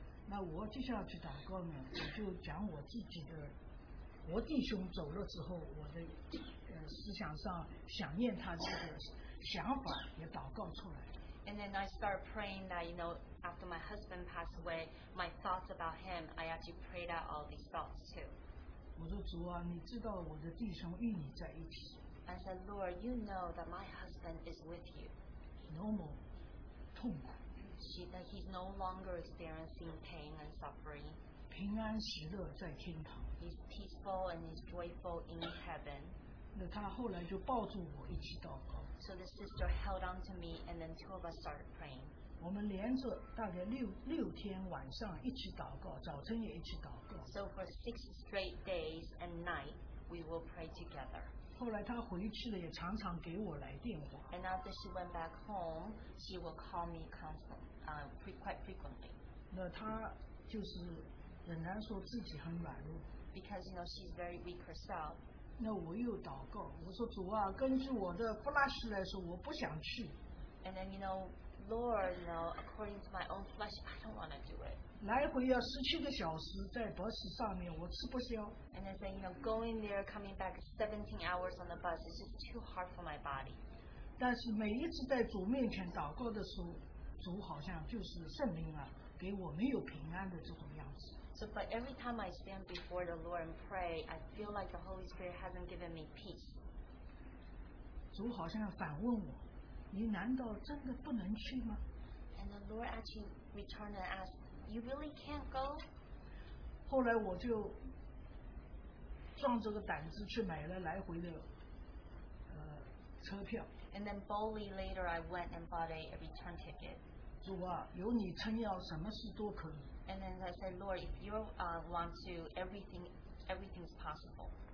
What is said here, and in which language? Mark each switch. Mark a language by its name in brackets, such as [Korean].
[Chinese] 那我接下去祷告呢，我就讲我自己的，我弟兄走了之后，我的思想上想念他这个想法也祷告出来。 [English] And then I started praying that, you know, after my husband passed away, my thoughts about him, I actually prayed out all these thoughts too. [Chinese] 我说主啊，你知道我的弟兄与你在一起。 [English] I said, Lord, you know that my husband is with you. No more [Chinese] 痛苦。 [English] She that he's no longer experiencing pain and suffering. [Chinese] 平安喜乐在天堂。 [English] He's peaceful and he's joyful in heaven. [Chinese] 那他后来就抱住我一起祷告。 [English] So the sister held on to me, and then two of us started praying. [Chinese] 我们连着大概六天晚上一起祷告，早晨也一起祷告。 [English] So for six straight days and night, we will pray together. [Chinese] 后来她回去了，也常常给我来电话。 [English] And after she went back home, she will call me quite frequently. [Chinese] 那她就是仍然说自己很软弱。 [English] Because you know she's very weak herself. [Chinese] 那我又祷告，我说主啊，根据我的 flesh 来说，我不想去。 [English] And then you know, Lord, you know, according to my own flesh, I don't want to do it. [Chinese] 来回要十七个小时在巴士上面，我吃不消。 [English] And I said, you know, going there, coming back 17 hours on the bus is just too hard for my body. [Chinese] 但是每一次在主面前祷告的时候，主好像就是圣灵啊，给我没有平安的这种样子。 [English] So, but every time I stand before the Lord and pray, I feel like the Holy Spirit hasn't given me peace. [Chinese] 主好像反问我, 你难道真的不能去吗? [English] And the Lord actually returned and asked, you really can't go? [Chinese] 后来我就壮着个胆子去买了来回的车票。 [English] And then boldly later, I went and bought a return ticket. [Chinese] 主啊, 有你撑腰, 什么事都可以。 [English] And then I said, Lord, if you want to, everything is possible.